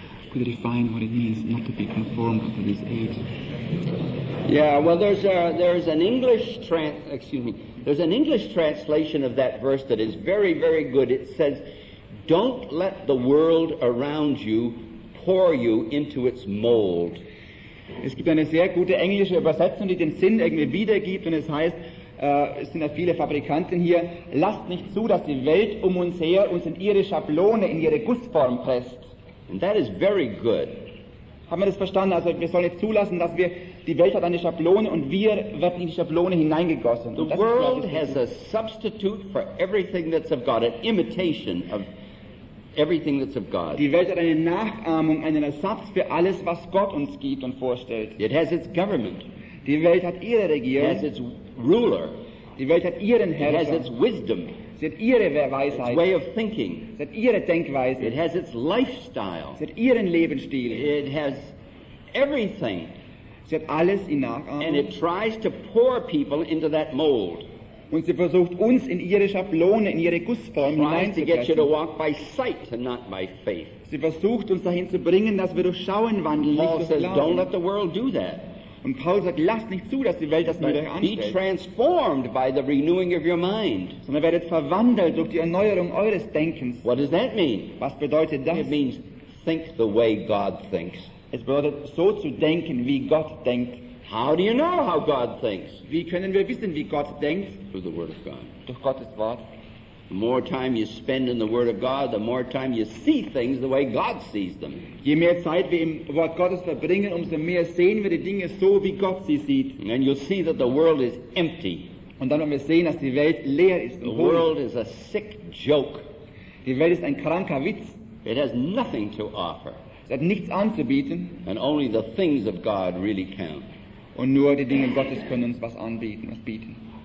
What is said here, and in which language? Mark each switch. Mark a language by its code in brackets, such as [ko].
[en] Could you define what it means not to be conformed to this age? Yeah, well, there's an English there's an English translation of that verse that is very, very good. It says, "Don't let the world around you pour you into its mold." [de] Es gibt eine sehr gute englische Übersetzung, die den Sinn irgendwie wiedergibt, und es heißt, es sind ja viele Fabrikanten hier, lasst nicht zu, dass die Welt um uns her uns in ihre Schablone, in ihre Gussform presst. [en] And that is very good. [de] Haben wir das verstanden? Also wir sollen nicht zulassen, dass wir, die Welt hat eine Schablone und wir werden in die Schablone hineingegossen. [en] The world has a substitute for everything that's of God, an imitation of everything that's of God. [de] Die Welt hat eine Nachahmung, einen Ersatz für alles, was Gott uns gibt und vorstellt. [en] It has its government. [de] Die Welt hat ihre Regierung. [en] It has its ruler. [de] Die Welt hat ihren Herrscher. [en] It has its wisdom. [de] Sie hat ihre Weisheit. [en] Its way of thinking. [de] Sie hat ihre Denkweise. [en] It has its lifestyle. [de] Sie hat ihren Lebensstil. [en] It has everything. [de] Sie hat alles in Nachahmung. [en] And it tries to pour people into that mold. [de] Und sie versucht uns in ihre Schablone, in ihre Gussform hineinzupressen. Sie versucht uns dahin zu bringen, dass wir durch Schauen wandeln, [en] Paul [de] nicht durch Glauben. [en] Says, don't let the world do that. [de] Und Paul sagt, lasst nicht zu, dass die Welt das nur durch anstellt. [en] Be transformed by the renewing of your mind. [de] Sondern werdet verwandelt durch die Erneuerung eures Denkens. [en] What does that mean? [de] Was bedeutet das? [en] It means, think the way God thinks. [de] Es bedeutet, so zu denken, wie Gott denkt. [en] How do you know how God thinks? [de] Wie können wir wissen, wie Gott denkt? [en] Through the Word of God. [de] Durch Gottes Wort. [en] The more time you spend in the Word of God, the more time you see things the way God sees them. [de] Je mehr Zeit wir im Wort Gottes verbringen, umso mehr sehen wir die Dinge so, wie Gott sie sieht. [en] And you'll see that the world is empty. [de] Und dann werden wir sehen, dass die Welt leer ist. [en] The world is a sick joke. [de] Die Welt ist ein kranker Witz. [en] It has nothing to offer. [de] Sie hat nichts anzubieten. [en] And only the things of God really count. [de] Und nur die Dinge Gottes können uns was anbieten, was bieten.